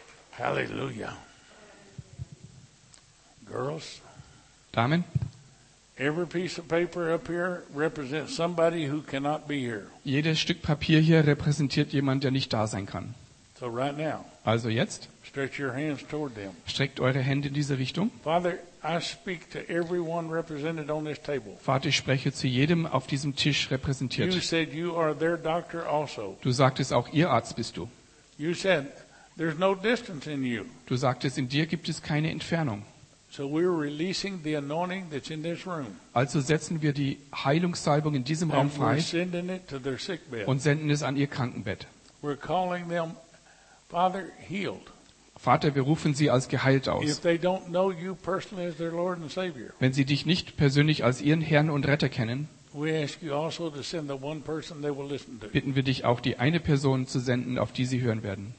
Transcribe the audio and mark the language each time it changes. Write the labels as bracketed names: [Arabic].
[English] Hallelujah. Girls. [German] Damen. [English] Every piece of paper up here represents somebody who cannot be here. [German] Jedes Stück Papier hier repräsentiert jemand, der nicht da sein kann. [English] So right now. [German] Also jetzt. [English] Stretch your hands toward them. [German] Streckt eure Hände in diese Richtung. [English] Father, I speak to everyone represented on this table. [German] Vater, ich spreche zu jedem auf diesem Tisch repräsentiert. [English] You said you are their doctor also. [German] Du sagtest, auch ihr Arzt bist du. [English] You said there's no distance in you. [German] Du sagtest, in dir gibt es keine Entfernung. [English] So we're releasing the anointing that's in this room. [German] Also setzen wir die Heilungssalbung in diesem Raum frei und senden es an ihr Krankenbett. [English] We're calling them, Father, healed. [German] Vater, wir rufen sie als geheilt aus. [English] If they don't know you personally as their Lord and Savior, [German] wenn sie dich nicht persönlich als ihren Herrn und Retter kennen, [English] we ask you also to send the one person they will listen to, [German] bitten wir dich auch, die eine Person zu senden, auf die sie hören werden,